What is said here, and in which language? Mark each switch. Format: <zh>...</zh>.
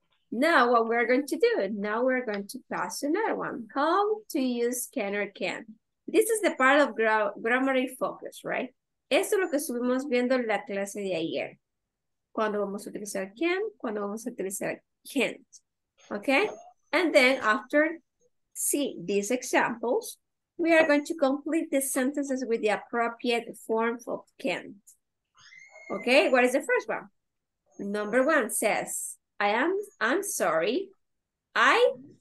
<en>Now what we're going to do, now we're going to pass another one. How to use can or can. This is the part of grammar focus, right?</en> <es>Esto es lo que estuvimos viendo en la clase de ayer. Cuando vamos a utilizar can, cuando vamos a utilizar can't. Okay?</es> <en>And then after see these examples, we are going to complete the sentences with the appropriate form of can't. Okay, what is the first one? Number one says, I'm sorry, I</en>